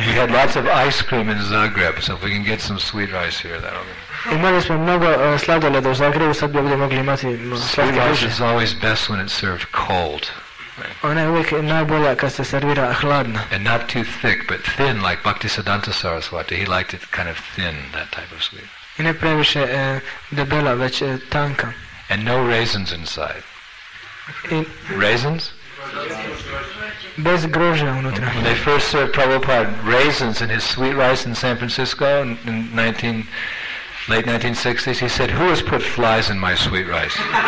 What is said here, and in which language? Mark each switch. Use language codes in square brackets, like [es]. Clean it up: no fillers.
[en] We had lots of ice cream in Zagreb, so if we can get some sweet rice here, that'll be. [hr] Imali smo mnogo sladoleda u Zagrebu, sad bi ovdje mogli imati slatke riže. [en] Sweet rice is always best when it's served cold. [hr] Ona je uvijek najbolja kad se servira hladno. [en] And not too thick, but thin, like Bhaktisiddhanta Saraswati. He liked it kind of thin, that type of sweet. [hr] I ne previše debela, već tanka. [en] And no raisins inside. Raisins? [hr] Bez grožđa unutra. [en] When they first served Prabhupada raisins in his sweet rice in San Francisco in late 1960s, he said, "Who has put flies in my sweet rice?"